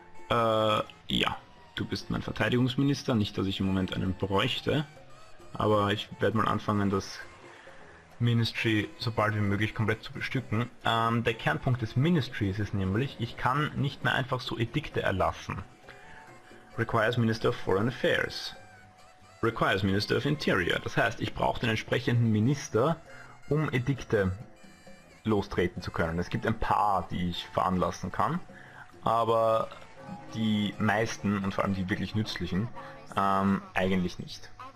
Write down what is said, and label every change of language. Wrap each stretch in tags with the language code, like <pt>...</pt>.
<de>Ja, du bist mein Verteidigungsminister, nicht, dass ich im Moment einen bräuchte, aber ich werde mal anfangen, das Ministry so bald wie möglich komplett zu bestücken. Der Kernpunkt des Ministries ist nämlich, ich kann nicht mehr einfach so Edikte erlassen.</de> <en>Requires Minister of Foreign Affairs. Requires Minister of Interior.</en> <de>Das heißt, ich brauche den entsprechenden Minister, um Edikte lostreten zu können. Es gibt ein paar, die ich veranlassen kann, aber die meisten und vor allem die wirklich nützlichen, eigentlich nicht.</de>